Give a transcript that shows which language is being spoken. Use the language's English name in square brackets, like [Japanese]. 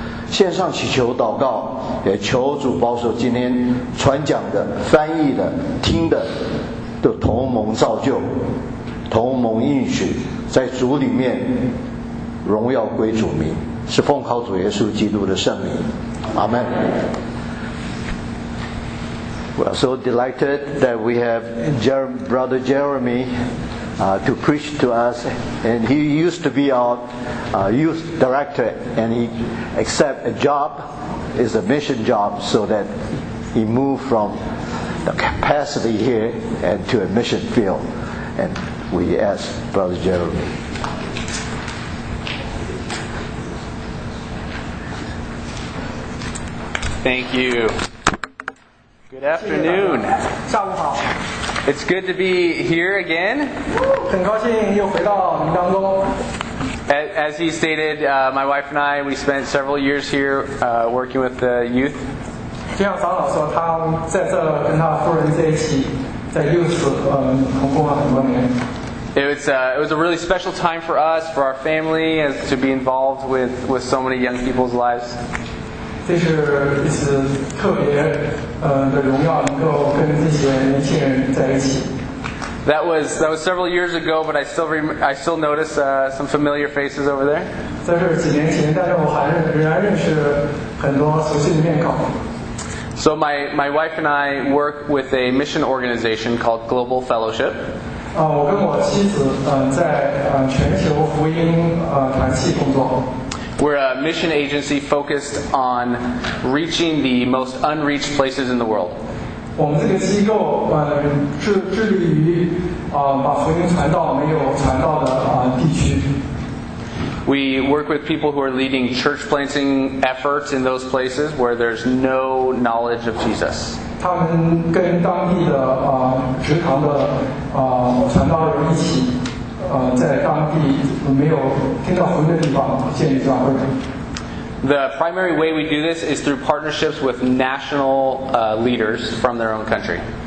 [Chinese] 线上祈求祷告，也求主保守今天传讲的、翻译的、听的就同盟造就，同盟应许，在主里面荣耀归主名，是奉靠主耶稣基督的圣名，阿们。 [English] We are so delighted that we have Brother Jeremy to preach to us, and he used to be our youth director, and he accept a job, is a mission job, so that he moved fromthe capacity here and to a mission field. And we ask Brother Jeremy. Thank you. Good afternoon. [Chinese] 下午好。 [English] It's good to be here again. [Chinese] 很高兴又回到您当中。 [English] As he stated, my wife and I, we spent several years here working with the youth. [Chinese] 就像长老说，他在这跟他夫人在一起，在幼师同工了很多年。 [English] It was a really special time for us, for our family, as to be involved with so many young people's lives. [Chinese] 这是一次特别的荣耀，能够跟这些年轻人在一起。 [English] That was several years ago, but I still notice some familiar faces over there. [Chinese] 在这几年前，但是我还是仍然认识很多熟悉的面孔。 [English] So my wife and I work with a mission organization called Global Fellowship. [Chinese] 我跟我妻子在全球福音团契工作。 [English] We're a mission agency focused on reaching the most unreached places in the world. [Chinese] 我们这个机构致力于把福音传到没有传到的地区。 [English] We work with people who are leading church planting efforts in those places where there's no knowledge of Jesus. [Chinese] 他们跟当地的职堂的传道人一起。在当地没有听到福音的地方建立教会。 [English] The primary way we do this is through partnerships with national leaders from their own country.